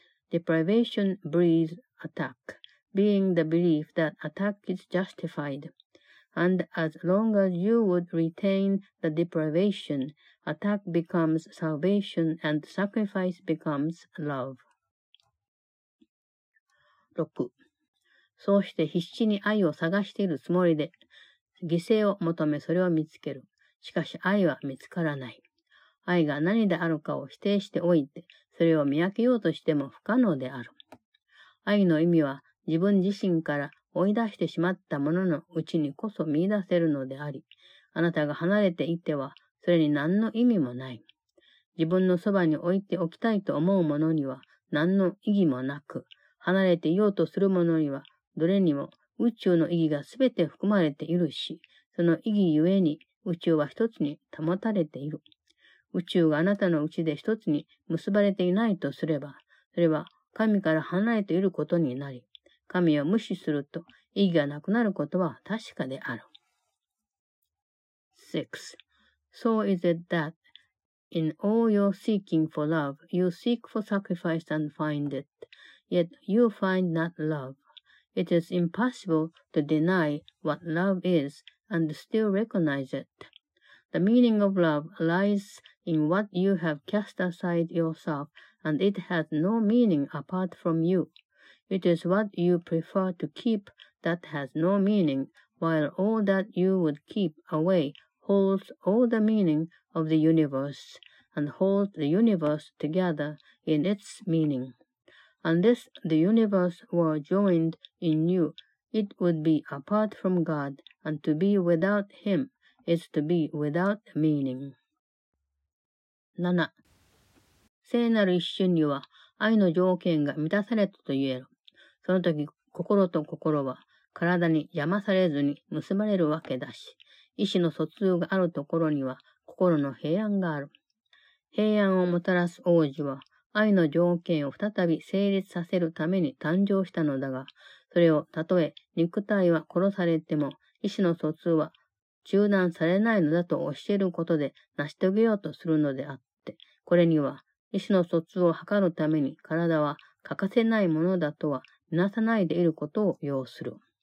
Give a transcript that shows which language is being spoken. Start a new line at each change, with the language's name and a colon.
English: Deprivation breeds attack, being the belief that attack is justified. And as long as you would retain the deprivation,Attack becomes salvation and sacrifice becomes love. 6.
Japanese: そうして必死に愛を探しているつもりで、犠牲を求めそれを見つける。しかし愛は見つからない。愛が何であるかを否定しておいて、それを見分けようとしても不可能である。愛の意味は自分自身から追い出してしまったもののうちにこそ見出せるのであり、あなたが離れていては、それに何の意味もない。自分のそばに置いておきたいと思うものには何の意義もなく、離れていようとするものにはどれにも宇宙の意義がすべて含まれているし、その意義ゆえに宇宙は一つに保たれている。宇宙があなたのうちで一つに結ばれていないとすれば、それは神から離れていることになり、神を無視すると意義がなくなることは確かである。 6.
English: So is it that in all your seeking for love, you seek for sacrifice and find it, yet you find not love. It is impossible to deny what love is and still recognize it. The meaning of love lies in what you have cast aside yourself, and it has no meaning apart from you. It is what you prefer to keep that has no meaning, while all that you would keep away. Holds all the meaning of the universe and holds the universe together in its meaning. Unless the universe were joined in you, it would be apart from God, and to be without Him is to be without meaning. 7.
Japanese: 聖なる一瞬には愛の条件が満たされたと言える。その時、心と心は体に邪魔されずに結ばれるわけだし。意志の疎通があるところには心の平安がある。平安をもたらす王子は愛の条件を再び成立させるために誕生したのだが、それをたとえ肉体は殺されても意志の疎通は中断されないのだと教えることで成し遂げようとするのであって、これには意志の疎通を図るために体は欠かせないものだとはみなさないでいることを要する。